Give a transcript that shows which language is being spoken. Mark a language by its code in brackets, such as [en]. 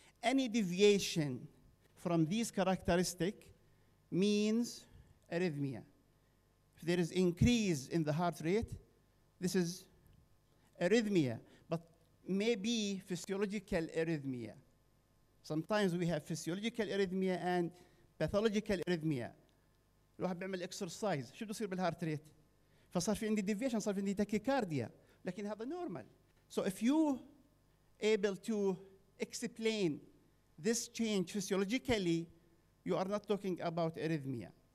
[en] Any deviation from these characteristics means arrhythmia. If there is increase in the heart rate, this is arrhythmia, but maybe physiological arrhythmia. Sometimes we have physiological arrhythmia and pathological arrhythmia. [ar] الواحد بيعمل exercise, شو بصير بالheart rate؟ فصار في عندي deviation, صار في عندي tachycardia, لكن هذا normal. [en] So if you able to explain this change physiologically, you are not talking about arrhythmia.